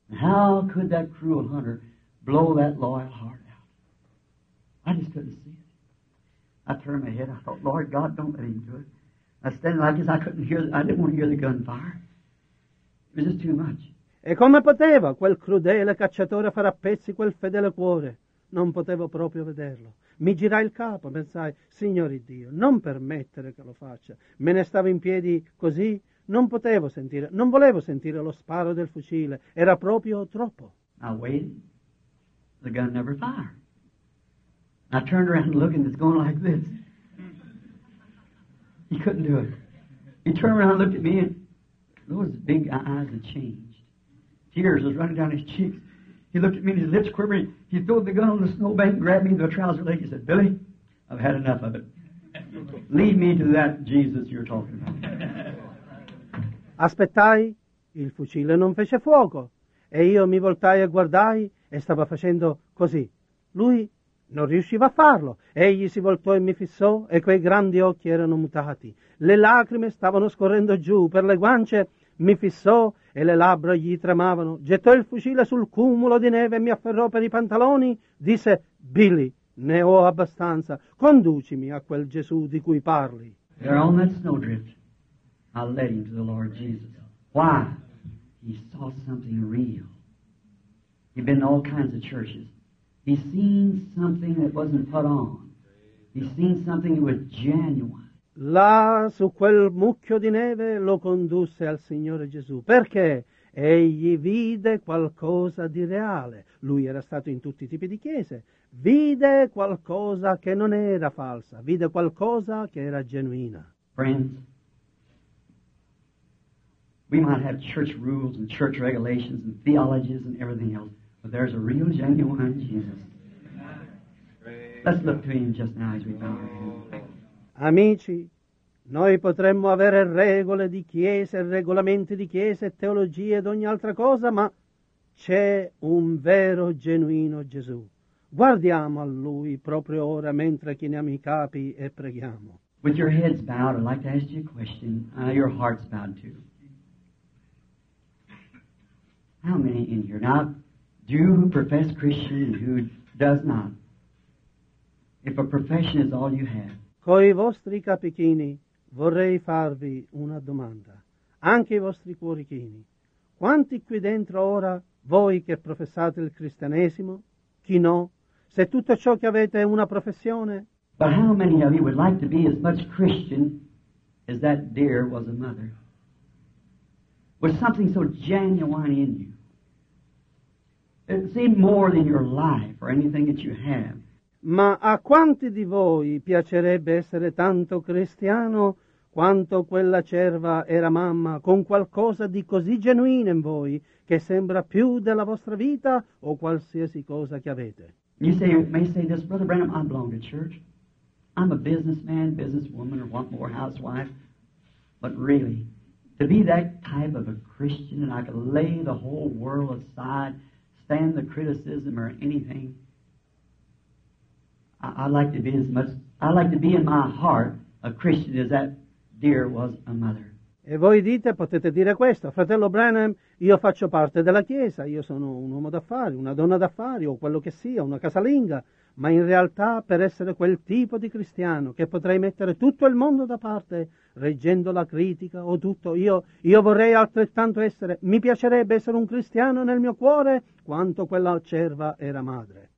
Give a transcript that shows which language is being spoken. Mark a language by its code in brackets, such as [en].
[en] How could that cruel hunter blow that loyal heart out? I just couldn't see it. I turned my head. I thought, Lord God, don't let him do it. I stand like this. I didn't want to hear the gunfire. It was just too much. [it] E come poteva quel crudele cacciatore far a pezzi quel fedele cuore? Non potevo proprio vederlo. Mi girai il capo, pensai, Signore Dio, non permettere che lo faccia. Me ne stavo in piedi così, non potevo sentire, non volevo sentire lo sparo del fucile. Era proprio troppo. [en] I waited. The gun never fired. I turned around looking, it's going like this. He couldn't do it. He turned around and looked at me, and those big eyes had changed. Tears was running down his cheeks. He looked at me and his lips quivering. He threw the gun on the snowbank and grabbed me in the trouser leg. He said, Billy, I've had enough of it. Lead me to that Jesus you're talking about. [it] Aspettai, il fucile non fece fuoco. E io mi voltai e guardai e stava facendo così. Lui non riusciva a farlo. Egli si voltò e mi fissò e quei grandi occhi erano mutati. Le lacrime stavano scorrendo giù per le guance. Mi fissò e le labbra gli tremavano. Gettò il fucile sul cumulo di neve e mi afferrò per i pantaloni. Disse, Billy, ne ho abbastanza. Conducimi a quel Gesù di cui parli. [en] There on that snowdrift, I led him to the Lord Jesus. Why? He saw something real. He'd been to all kinds of churches. He seen something that wasn't put on. He seen something that was genuine. [it] Là, su quel mucchio di neve, lo condusse al Signore Gesù. Perché? Egli vide qualcosa di reale. Lui era stato in tutti i tipi di chiese. Vide qualcosa che non era falsa. Vide qualcosa che era genuina. [en] Friends, we might have church rules and church regulations and theologies and everything else, but there's a real, genuine Jesus. Let's look to him just now as we bow our heads. [it] Amici, noi potremmo avere regole di chiese, regolamenti di chiese, teologie ed ogni altra cosa, ma c'è un vero, genuino Gesù. Guardiamo a Lui proprio ora mentre chiniamo i capi e preghiamo. [en] With your heads bowed, I'd like to ask you a question. Your heart's bowed too. How many in here, now, do who profess Christian and who does not, if a profession is all you have, [it] coi vostri capichini vorrei farvi una domanda, anche i vostri cuorichini. Quanti qui dentro ora, voi che professate il cristianesimo, chi no, se tutto ciò che avete è una professione? [en] But how many of you would like to be as much Christian as that deer was a mother? With something so genuine in you. It seemed more than your life or anything that you have. [it] Ma a quanti di voi piacerebbe essere tanto cristiano quanto quella cerva era mamma, con qualcosa di così genuino in voi che sembra più della vostra vita o qualsiasi cosa che avete? [en] You say, you may say this, Brother Branham, I belong to church. I'm a businessman, businesswoman, or want more housewife. But really, to be that type of a Christian and I could lay the whole world aside, stand the criticism or anything, I like to be as much, I like to be in my heart a Christian as that deer was a mother. [it] E voi dite, potete dire questo, fratello Branham, io faccio parte della chiesa, io sono un uomo d'affari, una donna d'affari o quello che sia, una casalinga, ma in realtà per essere quel tipo di cristiano che potrei mettere tutto il mondo da parte reggendo la critica o tutto, io vorrei altrettanto essere, mi piacerebbe essere un cristiano nel mio cuore quanto quella cerva era madre.